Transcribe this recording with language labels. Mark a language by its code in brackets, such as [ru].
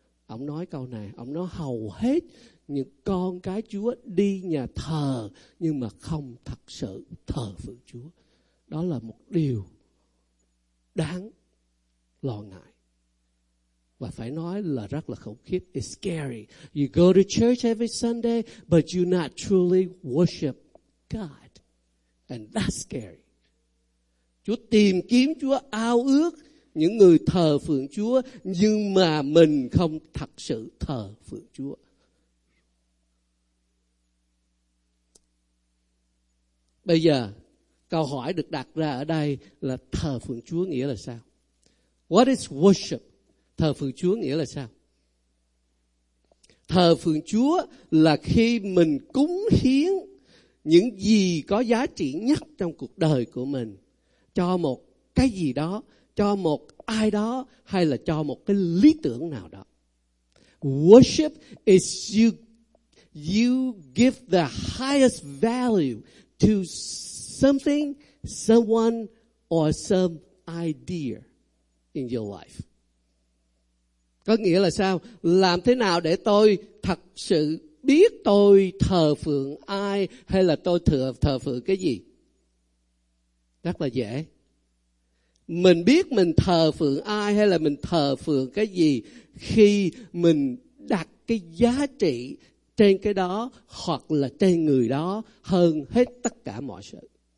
[vi] Ông nói câu này, ông nói hầu hết những con cái Chúa đi nhà thờ nhưng mà không thật sự thờ phượng Chúa. Đó là một điều đáng lo ngại và phải nói là rất là khủng khiếp. [en] It's scary. You go to church every Sunday but you not truly worship God, and that's scary. [vi] Chúa tìm kiếm, Chúa ao ước những người thờ phượng Chúa nhưng mà mình không thật sự thờ phượng Chúa. Bây giờ câu hỏi được đặt ra ở đây là thờ phượng Chúa nghĩa là sao? [en] What is worship? [vi] Thờ phượng Chúa nghĩa là sao? Thờ phượng Chúa là khi mình cúng hiến những gì có giá trị nhất trong cuộc đời của mình cho một cái gì đó, cho một ai đó, hay là cho một cái lý tưởng nào đó. [en] Worship is you give the highest value to something, someone, or some idea in your life. [vi] Có nghĩa là sao? Làm thế nào để tôi thật sự biết tôi thờ phượng ai, hay là tôi thờ phượng cái gì? Rất là dễ. Mình biết mình thờ phượng ai hay là mình thờ phượng cái gì khi mình đặt cái giá trị trên cái đó hoặc là trên người đó hơn hết tất cả mọi sự.